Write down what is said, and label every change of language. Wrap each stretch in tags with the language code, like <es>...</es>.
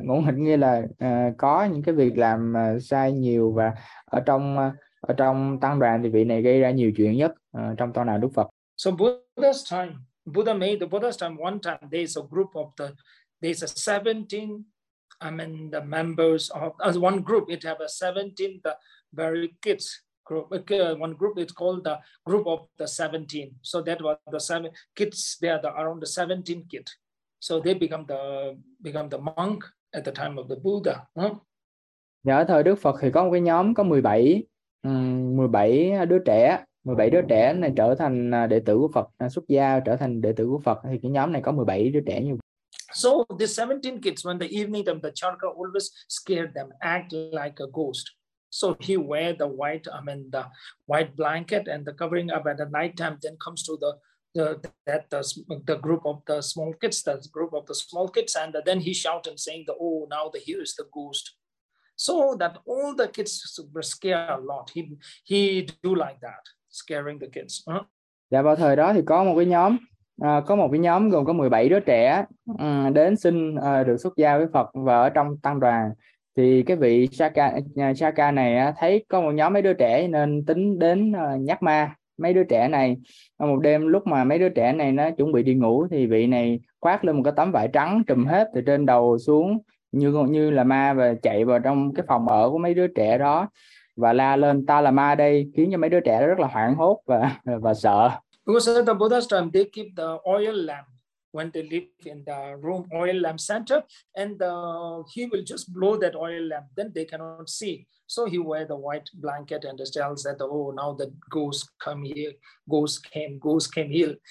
<vi>Ngỗ nghịch nghĩa là có những cái việc làm sai nhiều, và ở trong tăng đoàn thì vị này gây ra nhiều chuyện nhất trong tăng đoàn Đức Phật.</vi> <en>So Buddha's time, Buddha made the Buddha's time one time, there's a group of the, there's a 17, I mean the members of as one group, it have a 17, the very kids group, one group, it's called the group of the 17. So that was the seven kids, they are the around the 17 kid. So they become the monk at the time of the Buddha.</en> <vi>Dạ, ở thời Đức Phật thì có một cái nhóm có 17 đứa trẻ, 17 đứa trẻ này trở thành đệ tử của Phật, xuất gia trở thành đệ tử của Phật, thì cái nhóm này có 17 đứa trẻ như vậy.</vi> <en>So the 17 kids, when the evening time, the Charaka always scared them, act like a ghost. So he wear the white, I mean the white blanket and the covering up at the night time, then comes to the group of the small kids, that group of the small kids, and then he shout and saying the oh now the here is the ghost. So that all the kids were scared a lot. He do like that, scaring the kids.</en> <vi>Dạ, vào thời đó thì có một cái nhóm gồm có 17 đứa trẻ đến xin được xuất gia với Phật, và ở trong tăng đoàn thì cái vị Shaka này thấy có một nhóm mấy đứa trẻ nên tính đến nhắc ma mấy đứa trẻ này. Một đêm lúc mà mấy đứa trẻ này nó chuẩn bị đi ngủ thì vị này khoác lên một cái tấm vải trắng trùm hết từ trên đầu xuống như như là ma, và chạy vào trong cái phòng ở của mấy đứa trẻ đó và la lên ta là ma đây, khiến cho mấy đứa trẻ đó rất là hoảng hốt và sợ.</vi> <en>Because at the Buddha's time, they keep the oil lamp when they live in the room, oil lamp center, and he will just blow that oil lamp, then they cannot see. So he wear the white blanket and tells that, oh, now the ghost come here, ghost came here.</en>